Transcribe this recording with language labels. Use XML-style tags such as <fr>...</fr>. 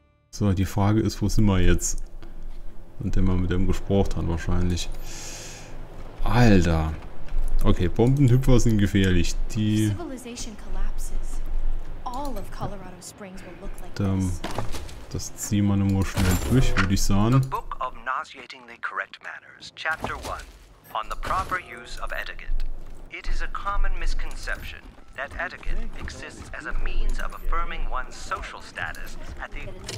<de>So, die Frage ist, wo sind wir jetzt? Und der man mit dem gesprochen hat wahrscheinlich. Alter. Okay, Bombenhüpfer sind gefährlich.</de> <en>Die Civilization collapses. All of Colorado Springs will look like this.</en> <de>Das ziehen wir nur schnell durch, würde ich sagen.</de> <en>The Book of Nauseatingly Correct Manners, Chapter 1. On the proper use of etiquette. It is a common misconception that etiquette exists as a means of affirming one's social status at the...</en>